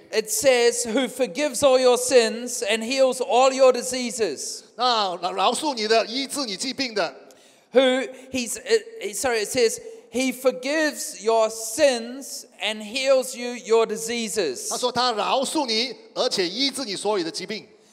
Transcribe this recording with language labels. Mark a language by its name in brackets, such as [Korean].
[English] It says, who forgives all your sins and heals all your diseases. [Chinese] 那饶恕你的，医治你疾病的。 [English] Who he's sorry, it says, he forgives your sins and heals you your diseases. [Chinese] 他说他饶恕你，而且医治你所有的疾病。